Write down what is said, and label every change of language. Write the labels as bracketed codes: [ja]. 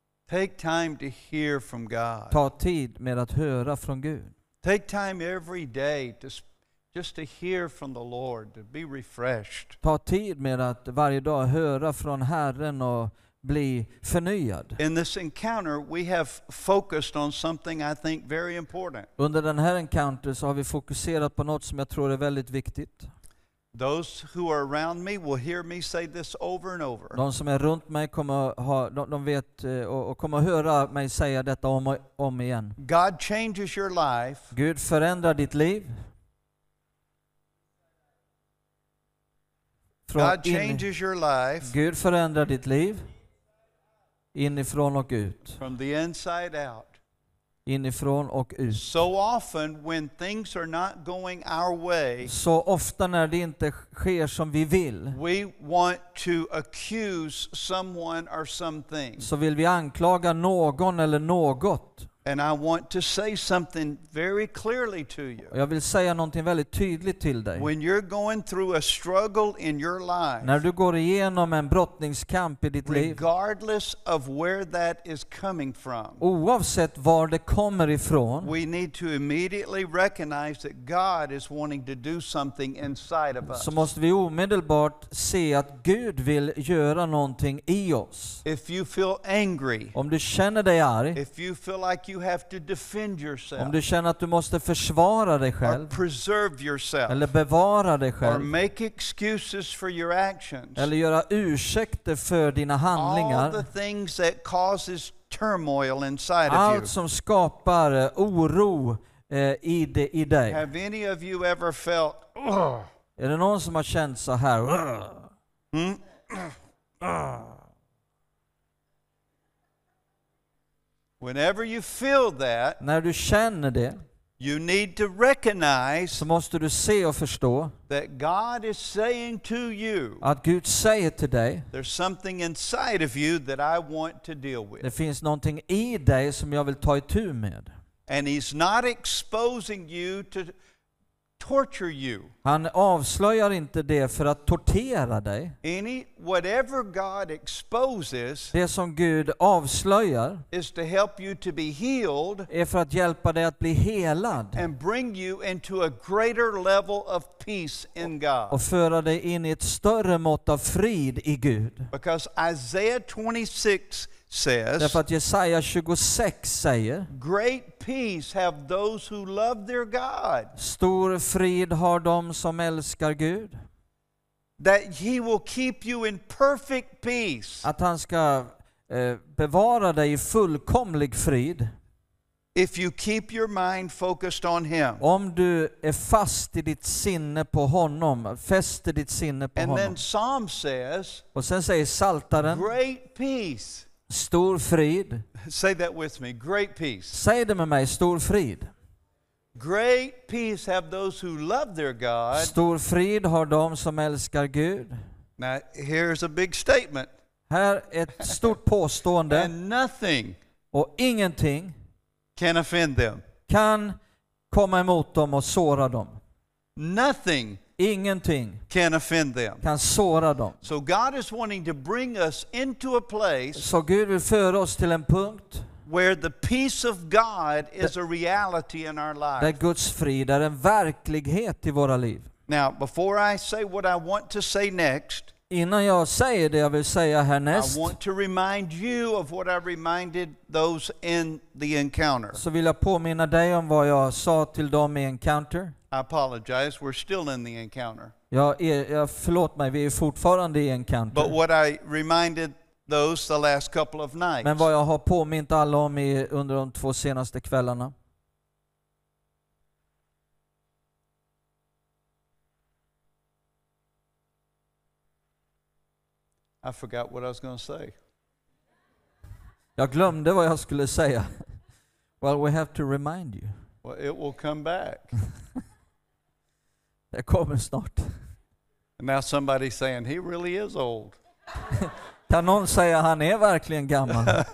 [en] Take time to hear from God. [sv] Ta tid med att höra från Gud. [en] Take time every day to just to hear from the Lord, to be refreshed. [sv] Ta tid med att varje dag höra från Herren och bli förnyad. [en] In this encounter we have focused on something I think very important. [sv] Under den här encounter så har vi fokuserat på något som jag tror är väldigt viktigt. [en] Those who are around me will hear me say this over and over. [sv] De som är runt mig kommer ha de vet och kommer höra mig säga detta om igen. [en] God changes your life. [sv] Gud förändrar ditt liv. [en] God changes your life. [sv] Gud förändrar ditt liv. Inifrån och ut. [en] From the inside out. [sv] Inifrån och ut. [en] So often when things are not going our way. [sv] Så ofta när det inte sker som vi vill. [en] We want to accuse someone or something. [sv] Så vill vi anklaga någon eller något. [en] And I want to say something very clearly to you. [sv] Jag vill säga någonting väldigt tydligt till dig. [en] When you're going through a struggle in your life. [sv] När du går igenom en brottningskamp i ditt liv. [en] Regardless of where that is coming from. [sv] Oavsett var det kommer ifrån. [en] We need to immediately recognize that God is wanting to do something inside of us. [sv] Så måste vi omedelbart se att Gud vill göra någonting i oss. [en] If you feel angry. [sv] Om du känner dig arg. [en] If you feel like you have to defend yourself. [sv] Om du känner att du måste försvara dig själv. [en] Or preserve yourself. [sv] Eller bevara dig själv. [en] Or make excuses for your actions. [sv] Eller göra ursäkter för dina handlingar. [en] All the things that causes turmoil inside of [sv] you. Allt som skapar oro i dig. [en] Have any of you ever felt? [sv] Är det någon som har känt så här? [en] Whenever you feel that, [sv] när du känner det, [en] you need to recognize, [sv] så måste du se och förstå, [en] that God is saying to you, [sv] att Gud säger till dig, [en] there's something inside of you that I want to deal with. [sv] Det finns någonting i dig som jag vill ta itu med. [en] And he's not exposing you to torture you. [sv] Han avslöjar inte det för att tortera dig. [en] Any whatever God exposes, [sv] det som Gud avslöjar, [en] is to help you to be healed, [sv] är för att hjälpa dig att bli helad, [en] and bring you into a greater level of peace in God. [sv] Och föra dig in i ett större mått av frid i Gud. [en] Because Isaiah 26 says, [sv] därför att Jesaja 26 säger, [en] great peace have those who love their God. [sv] Stor frid har de som älskar Gud. [en] That he will keep you in perfect peace. [sv] Att han ska bevara dig i fullkomlig frid. [en] If you keep your mind focused on him. [sv] Om du är fast i ditt sinne på honom, fäster ditt sinne på [en] and [sv] honom. [en] Then Psalm says, [sv] och sen säger Saltaren, [en] great peace. [sv] Stor frid. [en] Say that with me. Great peace. [sv] Säg det med mig. Stor frid. [en] Great peace have those who love their God. [sv] Stor frid har de som älskar Gud. [en] Now here's a big statement. [sv] Här ett stort påstående. [en] And nothing. [sv] Och ingenting. [en] Can offend them. [sv] Kan komma emot dem och såra dem. [en] Nothing. [sv] Ingenting [en] can offend them. [sv] Kan såra dem. [en] So God is wanting to bring us into a place. [sv] Så Gud vill föra oss till en punkt. [en] where the peace of God is a reality in our lives. [sv] Där Guds frid är en verklighet i våra liv. [en] Now, before I say what I want to say next, [sv] innan jag säger det jag vill säga härnäst, [en] I want to remind you of what I reminded those in the encounter. [sv] Så vill jag påminna dig om vad jag sa till dem i encounter. [en] I apologize, we're still in the encounter. [sv] Jag förlåt mig, vi är fortfarande i encounter. [en] But what I reminded those the last couple of nights. [sv] Men vad jag har påmint alla om under de två senaste kvällarna. [en] I forgot what I was going to say. [sv] Jag glömde vad jag skulle säga. [en] Well, we have to remind you. Well, it will come back. [sv] Det kommer snart. [en] And now somebody's saying he really is old. [sv] Kan någon säga han är verkligen gammal?